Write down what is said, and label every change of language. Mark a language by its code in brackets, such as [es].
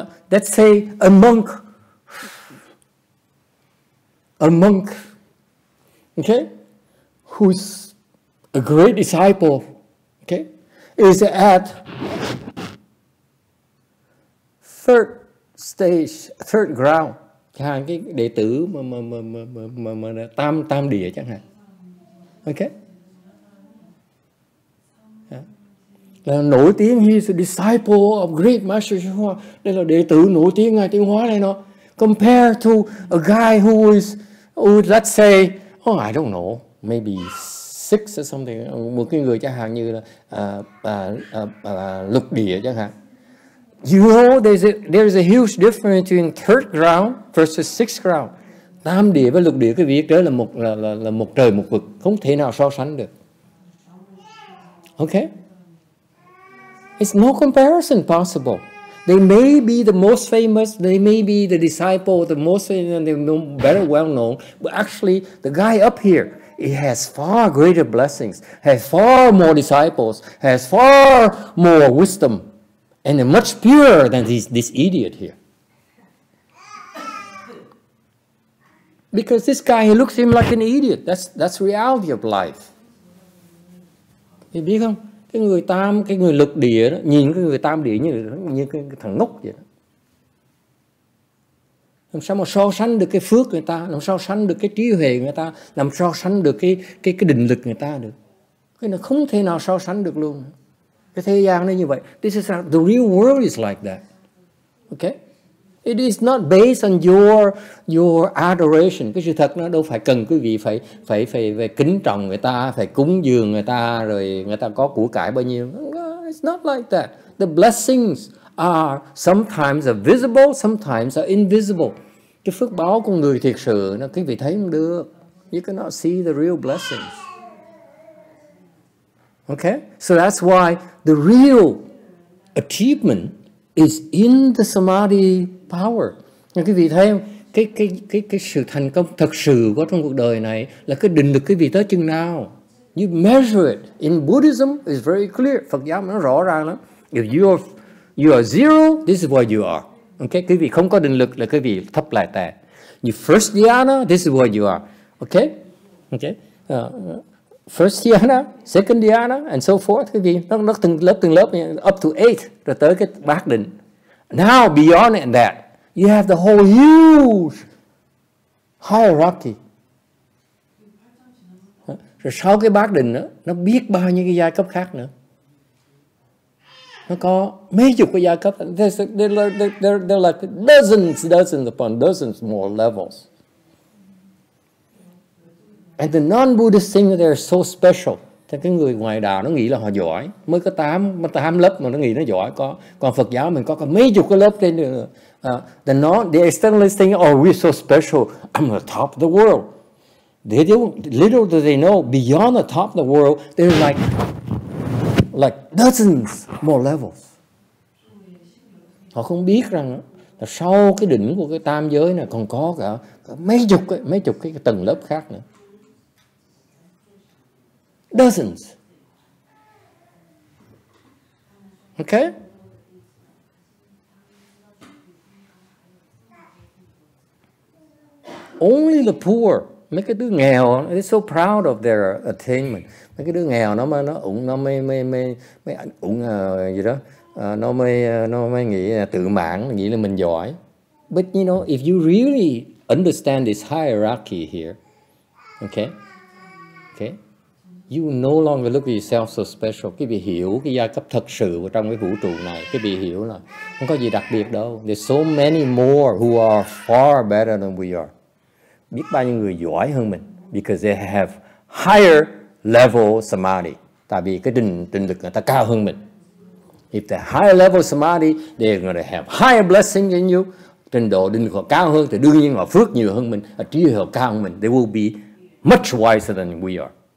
[en] Let's say a monk, okay, who's a great disciple, okay, is at third stage, third ground. [vi] Chẳng hạn cái đệ tử mà tam địa chẳng hạn. [en] Okay. [vi] Là nổi tiếng, [en] he is a disciple of great master XuYun. [vi] Đây là đệ tử nổi tiếng ngài Tiên Hóa này nọ. [en] Compared to a guy who is, let's say, oh, I don't know, maybe six or something. [vi] Một cái người chẳng hạn như là lục địa chẳng hạn. [en] You know, there's a huge difference between third ground versus sixth ground. [vi] Tam địa với lục địa, cái việc đó là một trời một vực, không thể nào so sánh được. [en] Okay? It's no comparison possible. They may be the most famous, they may be the disciple, the most famous, the better well known. But actually, the guy up here, he has far greater blessings, has far more disciples, has far more wisdom, and much purer than this idiot here. Because this guy, he looks at him like an idiot. That's reality of life. [vi] You biết không? Cái người tam, cái người lục địa đó, nhìn cái người tam địa như cái thằng ngốc vậy đó. Làm sao mà so sánh được cái phước người ta, làm sao so sánh được cái trí huệ người ta, làm so sánh được cái định lực người ta được. Cái này không thể nào so sánh được luôn. Cái thế gian nó như vậy. [en] This is not, the real world is like that. Okay? It is not based on your adoration. [vi] Cái sự thật nó đâu phải cần quý vị phải kính trọng người ta, phải cúng dường người ta, rồi người ta có của cải bao nhiêu. [en] No, it's not like that. The blessings are sometimes are visible, sometimes are invisible. [vi] Cái phước báo của người thiệt sự, nó quý vị thấy không được. [en] You cannot see the real blessings. Okay, so that's why the real achievement is in the samadhi power. [vi] Nhưng quý vị thấy không? Cái sự thành công thực sự của trong cuộc đời này là cái định lực quý vị tới chừng nào. [en] You measure it in Buddhism, it's very clear. [vi] Phật giáo nó rõ ràng lắm. [en] If you are zero, this is what you are. [vi] Okay, quý vị không có định lực là quý vị thấp lại tè. [en] You first dhyana, this is what you are. Okay? Okay. First dhyana, second dhyana, and so forth. [vi] Quý vị, nó từng lớp, [en] up to eight, [vi] rồi tới cái bát định. [en] Now, beyond that, you have the whole huge hierarchy. [vi] Rồi sau cái bát định đó, nó biết bao nhiêu cái giai cấp khác nữa. Nó có mấy chục cái giai cấp. [en] There are like dozens upon dozens more levels. And the non-Buddhist thing, they're so special. [vi] Thế cái người ngoài đạo nó nghĩ là họ giỏi. Mới có 8 lớp mà nó nghĩ nó giỏi. Còn Phật giáo mình có mấy chục cái lớp trên nữa. [en] The externalist thing, oh, we're so special. I'm the top of the world. Little do they know, beyond the top of the world, there's like dozens more levels. [vi] Họ không biết rằng là sau cái đỉnh của cái tam giới này còn có cả mấy chục cái tầng lớp khác nữa. [en] dozens. Okay? Only the poor, [vi] mấy cái đứa nghèo, [en] they're so proud of their attainment. [vi] Mấy cái đứa nghèo nó mà nó ủng, nó mê mê mê mê ủng gì đó, nó mê nghĩ tự mãn, nghĩ là mình giỏi. [en] But you know, if you really understand this hierarchy here, okay, okay, you no longer look at yourself so special. [vi] Cái vị hiểu cái giai cấp thật sự của trong cái vũ trụ này, cái vị hiểu là không có gì đặc biệt đâu. [en] There's so many more who are far better than we are. [vi] Biết bao nhiêu người giỏi hơn mình, [en] because they have higher level samadhi. [vi] Tại vì cái định lực người ta cao hơn mình. [en] If they're higher level samadhi, they're going to have higher blessing than you. [vi] Trình độ định lực họ cao hơn thì đương nhiên họ phước nhiều hơn mình, trí huệ họ cao hơn mình. [en] They will be much wiser than we are.